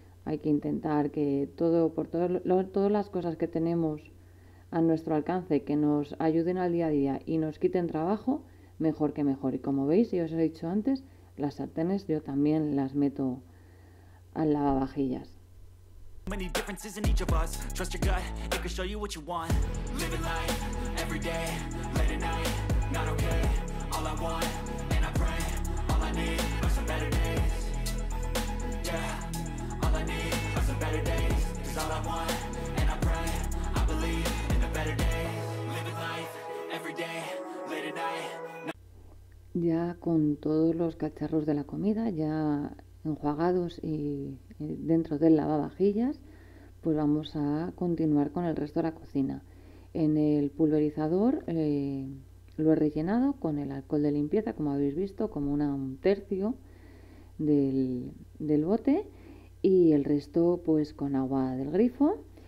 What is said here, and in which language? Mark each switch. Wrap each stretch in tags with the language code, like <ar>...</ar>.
<es>Hay que intentar que todo por todo, todas las cosas que tenemos a nuestro alcance que nos ayuden al día a día y nos quiten trabajo, mejor que mejor. Y como veis, y os he dicho antes, las sartenes yo también las meto al lavavajillas.</es> <en>Many differences in each of us. Trust your gut, it can show you what you want. Living life, every day, late at night, not okay. All I want, and I pray, all I need are some better days. Yeah, all I need are some better days. Cause all I want, and I pray, I believe in a better day. Living life, every day, late at night.</en> <es>Ya con todos los cacharros de la comida, ya enjuagados y dentro del lavavajillas, pues vamos a continuar con el resto de la cocina. En el pulverizador lo he rellenado con el alcohol de limpieza, como habéis visto, como un tercio del bote, y el resto pues con agua del grifo.</es>